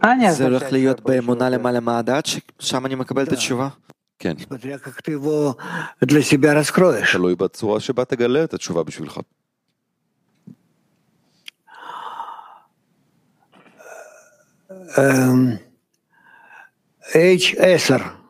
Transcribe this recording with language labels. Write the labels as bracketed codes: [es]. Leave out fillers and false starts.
[he] זה הולך להיות באמונה למעלה מהדעת, ששם אני מקבל את התשובה? כן. [ru] смотри, как ты его для себя раскроешь. [he] תלוי בצורה שבה תגלה את התשובה בשבילך. H10.